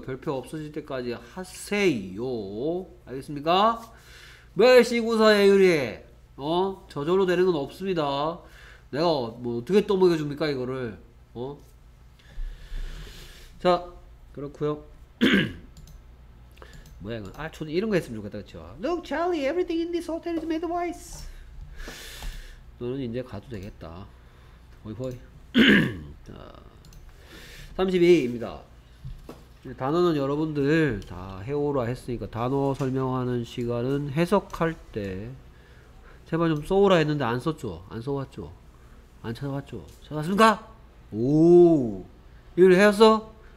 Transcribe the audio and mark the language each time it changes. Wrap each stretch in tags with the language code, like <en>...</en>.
<ko>별표 없어질 때까지 하세요. 알겠습니까? 매일 시구사에 유리해. 어? 저절로 되는 건 없습니다. 내가 뭐 어떻게 떠먹여줍니까 이거를. 어? 자 그렇구요. 뭐야 이건. 아 저도 이런거 했으면 좋겠다 그쵸.</ko> <en>Look Charlie, everything in this hotel is made of ice.</en> <ko>너는 이제 가도 되겠다. 호이호이. 자, 32입니다 단어는 여러분들 다 해오라 했으니까 단어 설명하는 시간은 해석할 때 제발 좀 써오라 했는데 안 썼죠. 안 써왔죠. 안 찾아봤죠? 찾아봤습니까? 오! 이걸 해왔어?</ko>